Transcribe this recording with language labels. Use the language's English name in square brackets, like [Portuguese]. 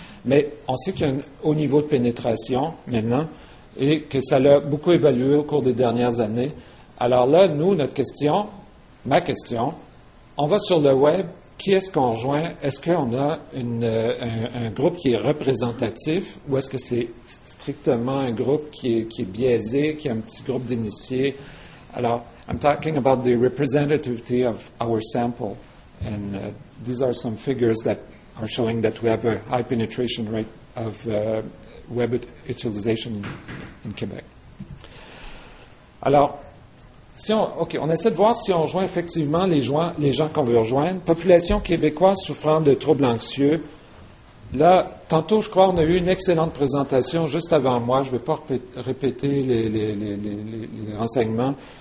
[French] Mais on sait qu'il y a un haut niveau de pénétration maintenant et que ça l'a beaucoup évalué au cours des dernières années. Alors là, nous, notre question, ma question, on va sur le web. Qui est-ce qu'on rejoint? Est-ce qu'on a un groupe qui est représentatif ou est-ce que c'est strictement un groupe qui est biaisé, qui est un petit groupe d'initiés? [English] Alors, I'm talking about the representativity of our sample, and these are some figures that are showing that we have a high penetration rate of web utilization in Québec. [French] Alors, on essaie de voir si on rejoint effectivement les gens qu'on veut rejoindre. Population québécoise souffrant de troubles anxieux. Là, tantôt, je crois, on a eu une excellente présentation juste avant moi. Je ne vais pas répéter les renseignements.